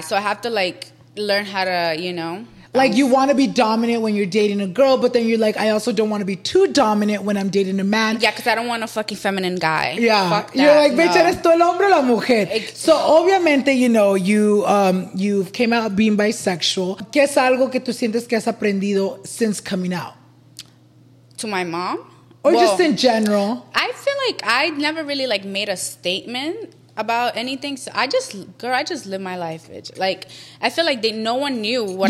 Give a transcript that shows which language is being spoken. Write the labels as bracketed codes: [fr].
[en] So I have to, like, learn how to, you know. Like, you want to be dominant when you're dating a girl, but then you're like, I also don't want to be too dominant when I'm dating a man. Yeah, because I don't want a fucking feminine guy. Yeah. Fuck that. You're like, bitch, [es] eres tú el hombre o la mujer? [en] So, obviamente, you know, you came out being bisexual. [es] ¿Qué es algo que tú sientes que has aprendido [en] since coming out? To my mom? Or just in general? I feel like I never really, like, made a statement about anything. So I just live my life, bitch. Like, I feel like no one knew what